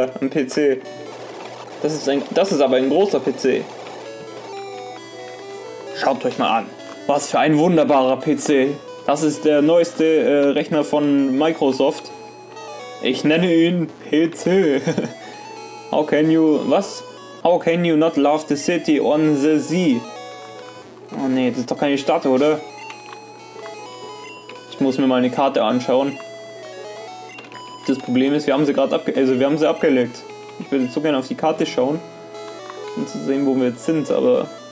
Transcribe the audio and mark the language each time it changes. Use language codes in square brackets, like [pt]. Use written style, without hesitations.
[de] PC. Das ist aber ein großer PC. Schaut euch mal an. Was für ein wunderbarer PC. Das ist der neueste Rechner von Microsoft. Ich nenne ihn PC. [en] How can you not love the city on the sea? [de] Oh nee, das ist doch keine Stadt, oder? Ich muss mir mal eine Karte anschauen. Das Problem ist, wir haben sie abgelegt. Ich würde so gerne auf die Karte schauen. Um zu sehen, wo wir jetzt sind, aber.